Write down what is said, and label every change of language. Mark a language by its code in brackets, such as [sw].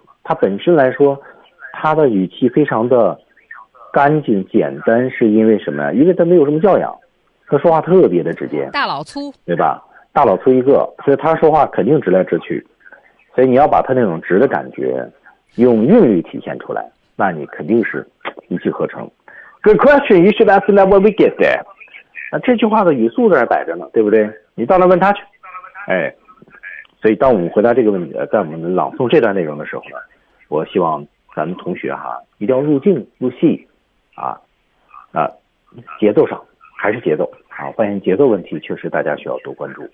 [zh] 他本身来说他的语气非常的干净简单，是因为什么？因为他没有什么教养，他说话特别的直接，大老粗，对吧？大老粗一个，所以他说话肯定直来直去，所以你要把他那种直的感觉用韵律体现出来，那你肯定是一气呵成。 [en] Good question, you should ask that when we get there. [zh] 那这句话的语速在那摆着呢，对不对？你到那问他去。哎，所以当我们回答这个问题，在我们朗诵这段内容的时候呢，我希望咱们同学哈，一定要入镜入戏，啊，那节奏上还是节奏啊，发现节奏问题确实大家需要多关注。